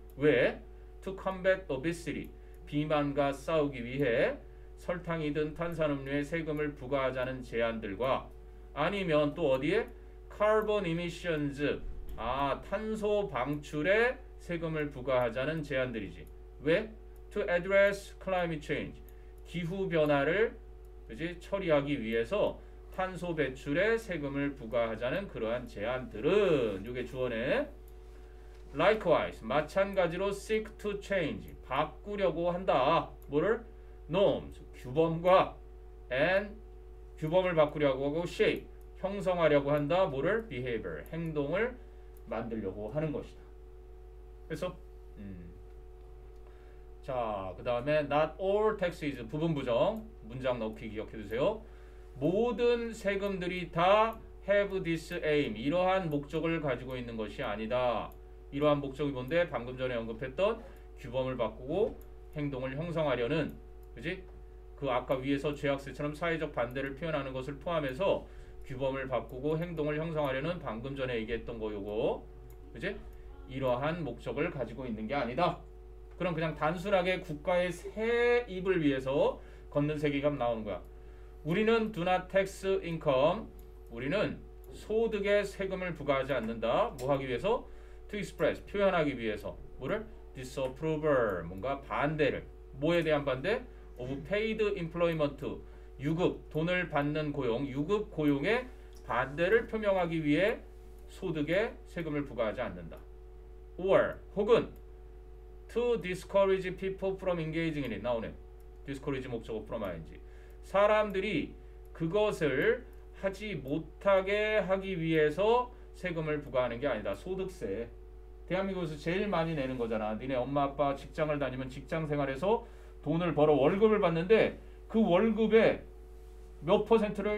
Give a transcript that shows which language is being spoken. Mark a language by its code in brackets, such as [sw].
[ko] 왜? [en] To combat obesity. [ko] 비만과 싸우기 위해 설탕이든 탄산음료에 세금을 부과하자는 제안들과 아니면 또 어디에? [en] Carbon emissions. [ko] 아, 탄소 방출에 세금을 부과하자는 제안들이지. 왜? [en] To address climate change. [ko] 기후 변화를 그지? 처리하기 위해서 탄소 배출에 세금을 부과하자는 그러한 제안들은 이게 주어네. [en] Likewise, [ko] 마찬가지로 [en] seek to change. [ko] 바꾸려고 한다. 뭐를? Norms, 규범과 and 규범을 바꾸려고 하고 shape, 형성하려고 한다. 뭐를? Behavior, 행동을 만들려고 하는 것이다. 그래서 자, 그 다음에 [en] not all taxes [ko] 부분 부정 문장 넣기 기억해 두세요. 모든 세금들이 다 [en] have this aim [ko] 이러한 목적을 가지고 있는 것이 아니다. 이러한 목적이 뭔데? 방금 전에 언급했던 규범을 바꾸고 행동을 형성하려는 그지? 그 아까 위에서 죄악세처럼 사회적 반대를 표현하는 것을 포함해서 규범을 바꾸고 행동을 형성하려는 방금 전에 얘기했던 거 요거 그지? 이러한 목적을 가지고 있는 게 아니다. 그럼 그냥 단순하게 국가의 세입을 위해서 걷는 세금 나오는 거야. 우리는 [en] do not tax income. [ko] 우리는 소득에 세금을 부과하지 않는다. 뭐 하기 위해서? [en] To express, [ko] 표현하기 위해서. 뭐를? Disapproval, 뭔가 반대를. 뭐에 대한 반대? [en] Of paid employment. [ko] 유급, 돈을 받는 고용, 유급 고용의 반대를 표명하기 위해 소득에 세금을 부과하지 않는다. [en] Or, [ko] 혹은 [en] To discourage people from engaging in it. [ko] 나오네. Discourage 목적어 from ing. 사람들이 그것을 하지 못하게 하기 위해서 세금을 부과하는 게 아니다. 소득세. 대한민국에서 제일 많이 내는 거잖아. 니네 엄마 아빠 직장을 다니면 직장 생활에서 돈을 벌어 월급을 받는데 그 월급에 몇 퍼센트를?